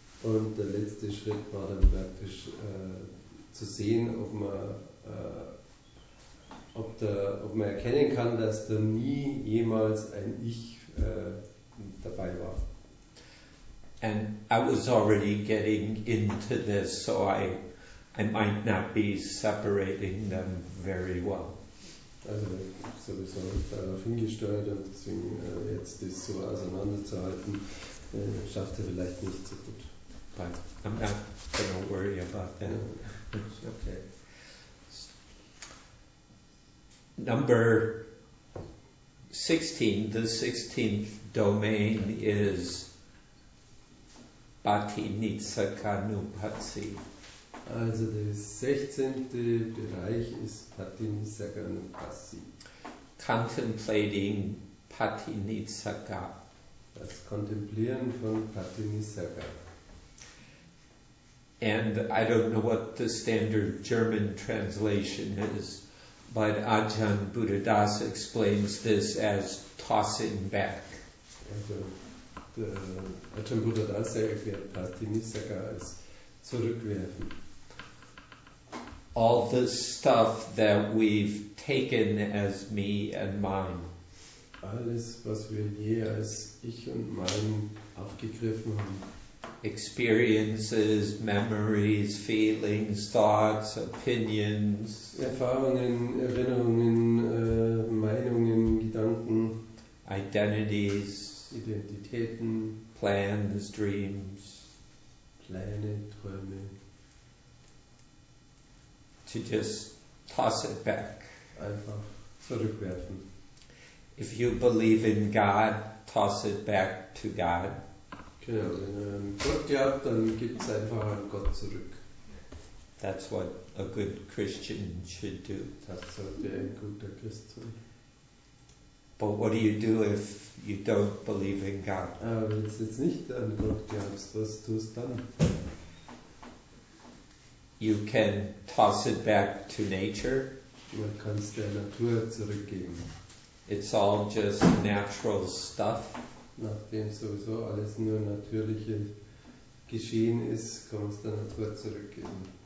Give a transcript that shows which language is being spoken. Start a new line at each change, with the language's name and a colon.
German: Und der letzte Schritt war dann praktisch zu sehen, ob man, ob man erkennen kann, dass da nie jemals ein Ich dabei war.
English: And I was already getting into this, so I might not be separating them very well.
German: Also sowieso darauf hingesteuert und deswegen jetzt das so auseinanderzuhalten, schafft er vielleicht nicht so gut.
English: But I'm not going to worry about that. Okay. Number 16, the 16th domain is Bhati Nitsaka Nupatsi.
German: Also der 16. Bereich ist Bhati Nitsaka Nupatsi.
English: Contemplating Bhati Nitsaka.
German: Das Kontemplieren von Bhati Nitsaka.
English: And I don't know what the standard German translation is, but Ajahn Buddhadas explains this as tossing back.
German: Ajahn Buddhadas erklärt Bhati Nitsaka als zurückwerfen.
English: All the stuff that we've taken as me and mine.
German: Alles, was wir je als ich und mein aufgegriffen haben.
English: Experiences, memories, feelings, thoughts, opinions.
German: Erfahrungen, Erinnerungen, Meinungen, Gedanken.
English: Identities.
German: Identitäten.
English: Plans, dreams.
German: Pläne, Träume.
English: To just toss it back.
German: Einfach zurückwerfen.
English: If you believe in God, toss it back to God.
German: Genau, wenn ihr an Gott glaubt, dann gibt es einfach an Gott zurück.
English: That's what a good Christian should do.
German: Das sollte ein guter Christ tun.
English: But what do you do if you don't believe in God?
German: Aber wenn du jetzt nicht an Gott glaubst, was tust du dann?
English: You can toss it back to nature.
German: Man kann es der Natur zurückgeben.
English: It's all just natural stuff.
German: Nachdem sowieso alles nur natürliche Geschehen ist, kann es der Natur zurückgeben.